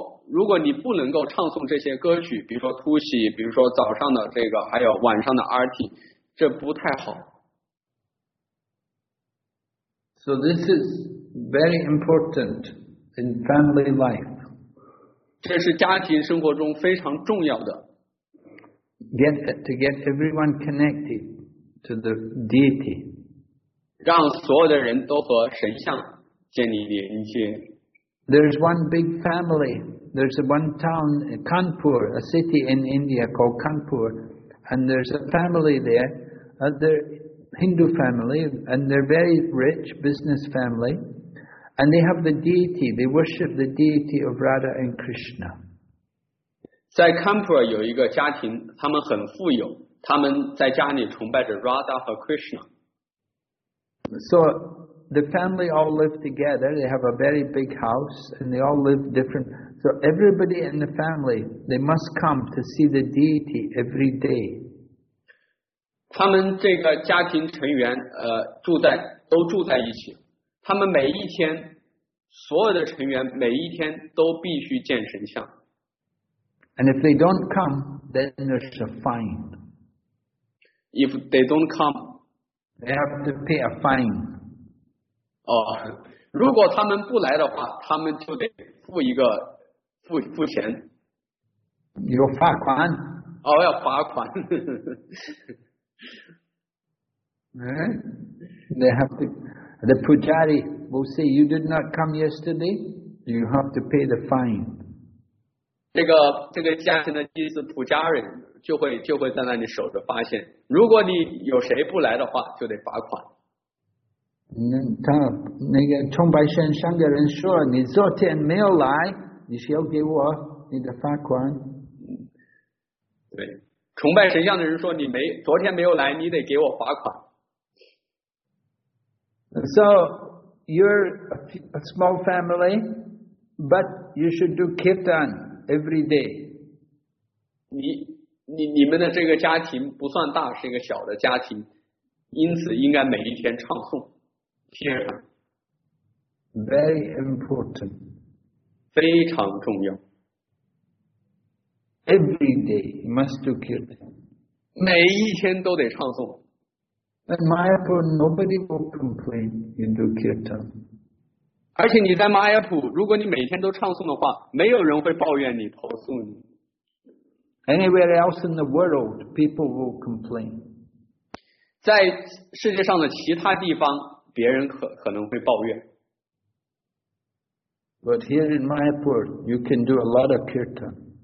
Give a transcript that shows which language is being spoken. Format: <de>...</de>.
<zh>如果你不能够唱诵这些歌曲，比如说突袭，比如说早上的这个，还有晚上的 RT， 这不太好。</zh> <en>So this is very important in family life.</en> <zh>这是家庭生活中非常重要的。</zh> <en>To get everyone connected to the deity.</en> <zh>让所有的人都和神像建立连接。</zh> <en>There's one big family. There's one town, Kanpur, a city in India called Kanpur, and there's a family there, a Hindu family, and they're very rich business family, and they have the deity. They worship the deity of Radha and Krishna.</en> <zh>在 Kanpur 有一个家庭，他们很富有，他们在家里崇拜着 Radha 和 Krishna.</zh> <en>So. The family all live together. They have a very big house, and they all live different. So everybody in the family, they must come to see the deity every day.</en> <zh>他们这个家庭成员都住在一起。他们每一天，所有的成员每一天都必须见神像。</zh> <en>And if they don't come, then there's a fine. If they don't come, they have to pay a fine.</en> <zh>如果他们不来的话，他们就得付钱。有罚款。哦，要罚款。</zh> <en>They have to. The pujari will say, "You did not come yesterday. You have to pay the fine."</en> <zh>这个家庭的祭司普加人就会在那里守着发现，如果你有谁不来的话，就得罚款。那个崇拜神像的人说，你昨天没有来，你是要给我你的罚款。对，崇拜神像的人说，你没昨天没有来，你得给我罚款。</zh> <en>So you're a small family, but you should do kirtan every day.</en> <zh>你们的这个家庭不算大，是一个小的家庭，因此应该每一天唱诵。</zh> <en>Very important.</en> <zh>非常重要。</zh> <en>Every day you must do kirtan.</en> <zh>每一天都得唱诵。</zh> <en>In Mayapur, nobody will complain you do kirtan.</en> <zh>而且你在 Mayapur, 如果你每天都唱诵的话，没有人会抱怨你、投诉你。</zh> <en>Anywhere else in the world, people will complain.</en> <zh>在世界上的其他地方别人可能会抱怨。</zh> <en>But here in Mayapur, you can do a lot of kirtan.</en>